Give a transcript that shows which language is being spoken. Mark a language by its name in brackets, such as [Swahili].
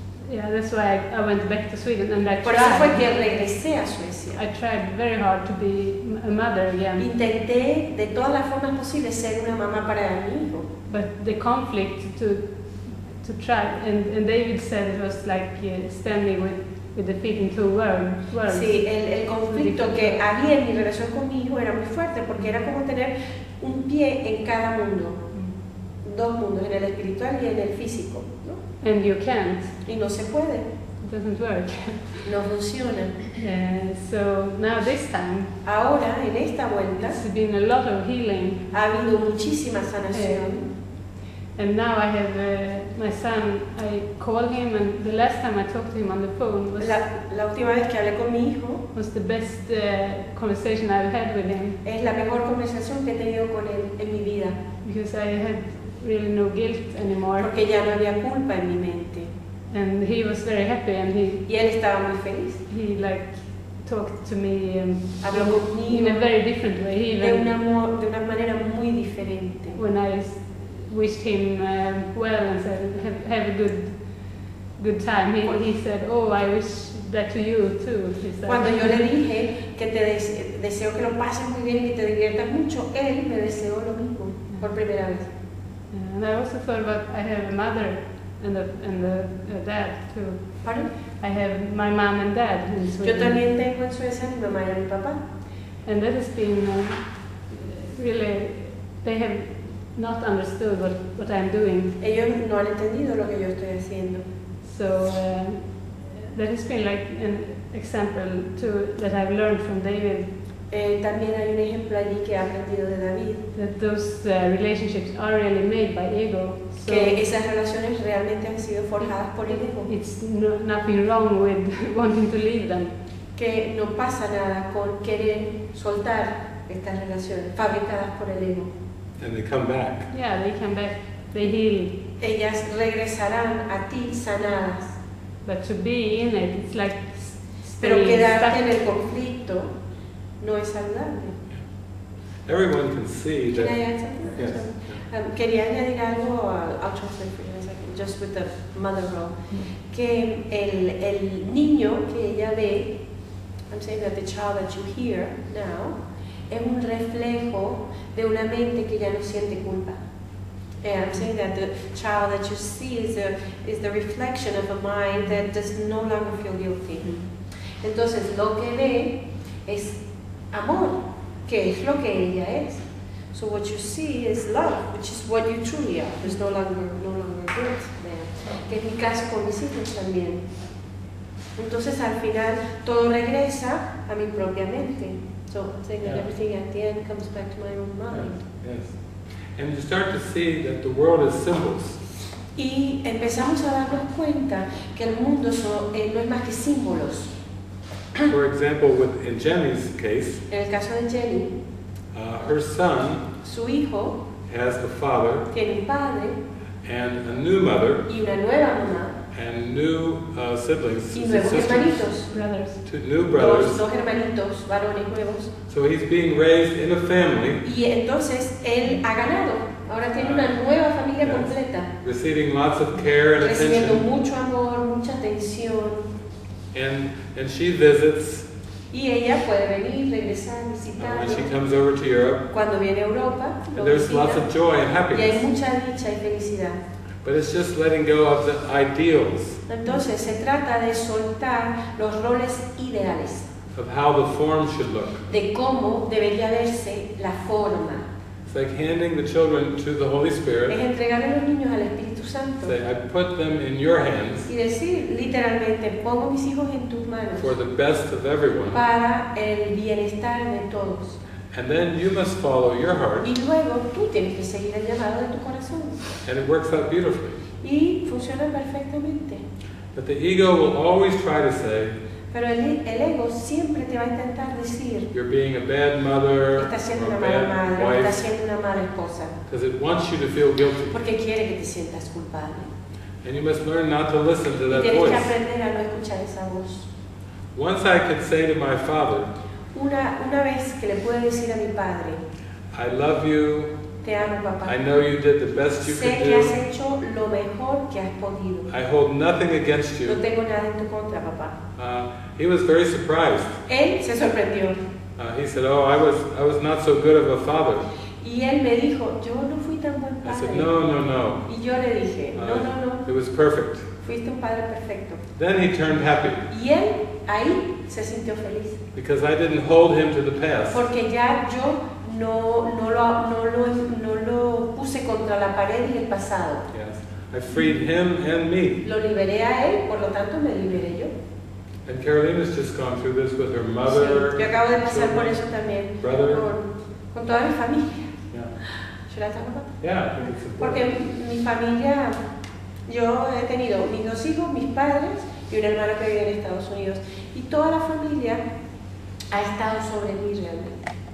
[English] Yeah, that's why I went back to Sweden and I [Spanish] por [English] tried. [Spanish] Eso fue que regresé a Suecia. [English] I tried very hard to be a mother again. [Spanish] Intenté de todas las formas posibles ser una mamá para mi hijo. [English] But the conflict to try and David said it was like standing with the feet in two worlds. [Spanish] Sí, el conflicto que había en mi relación con mi hijo era muy fuerte porque era como tener un pie en cada mundo, dos mundos, en el espiritual y en el físico. [English] And you can't. [Spanish] Y no se puede. [English] But doesn't work. [Spanish] No funciona. [English] So now this time, [Spanish] ahora, en esta vuelta, [English] it's been a lot of healing. [Spanish] Ha habido muchísima sanación. [English] And now I have my son. I called him, and the last time I talked to him on the phone was [Spanish] la última vez que hablé con mi hijo. [English] Was the best conversation I've had with him. [Spanish] Es la mejor conversación que he tenido con él en mi vida. [English] Because I had really no guilt anymore. [Spanish] Porque ya no había culpa en mi mente. [English] And he was very happy, and he. [Spanish] Y él estaba muy feliz. [English] He like talked to me in a very different way. He [Spanish] de una manera muy diferente. [English] When I wished him well and said have a good time. He said, "Oh, I wish that to you too." He said. [Spanish] Cuando yo le dije que te deseo que lo pases muy bien y que te diviertas mucho, él me deseó lo mismo por primera vez. [English] And I also thought about I have a mother and a dad too. Pardon? I have my mom and dad in Sweden. [Spanish] Yo también tengo en Suecia mi mamá y mi papá. [English] And that has been really, they have not understood what I'm doing. [Spanish] Ellos no han entendido lo que yo estoy haciendo. [English] So that has been like an example too that I've learned from David. [Spanish] También hay un ejemplo allí que he aprendido de David. [English] That those relationships are really made by ego. So [Spanish] que esas relaciones realmente han sido forjadas por el ego. [English] It's nothing wrong with wanting to leave them. [Spanish] Que no pasa nada con querer soltar estas relaciones fabricadas por el ego. [English] And they come back. Yeah, they come back. They heal. [Spanish] Ellas regresarán a ti sanadas. [English] But to be in it, it's like [Spanish] pero quedarte en el conflicto no es saludable. [English] Everyone can see can that. Can I add something? Yes. [Spanish] Quería añadir algo. [English] I'll translate for you in a second. Just with the mother role, [Spanish] que el niño que ella ve, [English] I'm saying that the child that you hear now, [Spanish] es un reflejo de una mente que ya no siente culpa. [English] And I'm saying that the child that you see is the reflection of a mind that does no longer feel guilty. [Spanish] Entonces lo que ve es amor, que es lo que ella es. [English] So what you see is love, which is what you truly are. There's no longer guilt there. [Spanish] Que es mi caso con mis hijos también. Entonces al final todo regresa a mi propia mente. [English] So saying that everything at the end comes back to my own mind. Yes. And you start to see that the world is symbols. [Spanish] Y empezamos a darnos cuenta que el mundo no es más que símbolos. [English] For example, in Jenny's case, [Spanish] en el caso de Jenny, [English] her son, [Spanish] su hijo, [English] has a father, [Spanish] tiene un padre, [English] and a new mother, [Spanish] y una nueva mamá, [English] and new siblings, [Spanish] y nuevos hermanitos, [English] brothers, new brothers, [Spanish] dos hermanitos, varones nuevos. [English] So he's being raised in a family. [Spanish] Y entonces él ha ganado. Ahora tiene una nueva familia completa. [English] Receiving lots of care and [Spanish] recibiendo [English] attention. [Spanish] Mucho amor, mucha atención. [English] And she visits. [Spanish] Y ella puede venir, regresar, visitar. [English] When she comes over to Europe. [Spanish] Cuando viene a Europa. [English] And there's lots of joy and happiness. [Spanish] Y hay mucha dicha y felicidad. [English] But it's just letting go of the ideals. [Spanish] Entonces se trata de soltar los roles ideales. [English] Of how the form should look. [Spanish] De cómo debería verse la forma. [English] It's like handing the children to the Holy Spirit. [Spanish] Es entregar a los niños al Espíritu Santo. [English] Say, I put them in your hands. [Spanish] Y decir literalmente pongo mis hijos en tus manos. [English] For the best of everyone. [Spanish] Para el bienestar de todos. [English] And then you must follow your heart. [Spanish] Y luego tú tienes que seguir el llamado de tu corazón. [English] And it works out beautifully. [Spanish] Y funciona perfectamente. [English] But the ego will always try to say. [Spanish] Pero el ego siempre te va a intentar decir. [English] You're being a bad mother. [Spanish] Estás siendo una mala madre. [English] Wife, [Spanish] estás siendo una mala esposa. [English] Because it wants you to feel guilty. [Spanish] Porque quiere que te sientas culpable. [English] And you must learn not to listen to that [Spanish] tienes [English] voice. [Spanish] Tienes que aprender a no escuchar esa voz. [English] Once I could say to my father. [Spanish] Una vez que le puedo decir a mi padre. [English] I love you. [Spanish] Te amo, papá. [English] I know you did the best you [Spanish] sé [English] could do. [Spanish] Has hecho lo mejor que has podido. [English] I hold nothing against you. [Spanish] No tengo nada en tu contra, papá. [English] He was very surprised. [Spanish] Él se sorprendió. [English] He said, "Oh, I was not so good of a father." [Spanish] Y él me dijo, "Yo no fui tan buen padre." [English] I said, "No, no, no." [Spanish] Y yo le dije, "No, no, no." [English] It was perfect. [Spanish] Fuiste un padre perfecto. [English] Then he turned happy. [Spanish] Y él ahí se sintió feliz. [English] Because I didn't hold him to the past. [Spanish] Porque ya yo no lo puse contra la pared y el pasado. [English] Yes. I freed him and me. [Spanish] Lo liberé a él, por lo tanto me liberé yo. [English] And Carolina's just gone through this with her mother. [Spanish] Sí, yo acabo de pasar por eso también. [English] Brother. [Spanish] Con toda mi familia. [English] Yeah. [Spanish] ¿Será tan bueno? [English] Yeah, I think it's important. [Spanish] Porque mi familia, yo he tenido mis dos hijos, mis padres y una hermana que vive en Estados Unidos. Y toda la familia ha estado sobre mí realmente.